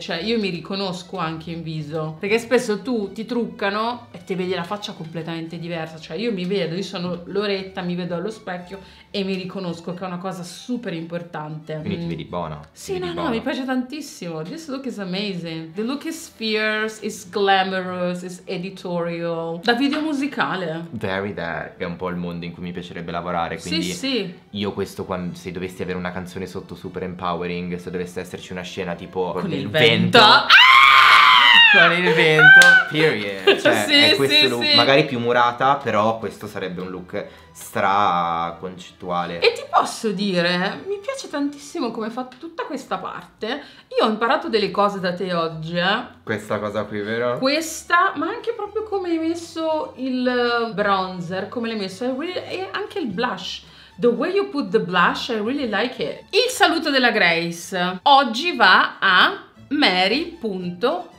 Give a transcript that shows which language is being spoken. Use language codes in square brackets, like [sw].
[it] Cioè, io mi riconosco anche in viso, perché spesso tu ti truccano e ti vedi la faccia completamente diversa. Cioè, io mi vedo, io sono Loretta, mi vedo allo specchio e mi riconosco, che è una cosa super importante. Quindi ti vedi buona. Sì, no, no, mi piace tantissimo. [en] This look is amazing. The look is fierce, it's glamorous, it's editorial. [it] Da video musicale. [en] Very that. [it] È un po' il mondo in cui mi piacerebbe lavorare. Quindi sì, sì. Io questo, quando, se dovessi avere una canzone sotto super empowering, se dovesse esserci una scena tipo con il vento. Ah! con il vento, period. Cioè, sì, è questo sì, look, sì. Magari più murata, però questo sarebbe un look stra concettuale. E ti posso dire, mi piace tantissimo come fa tutta questa parte. Io ho imparato delle cose da te oggi, eh. Questa cosa qui, vero? Questa, ma anche proprio come hai messo il bronzer, come l'hai messo, e anche il blush. [en] The way you put the blush, I really like it. [it] Il saluto della Grace oggi va a Mary.odianose.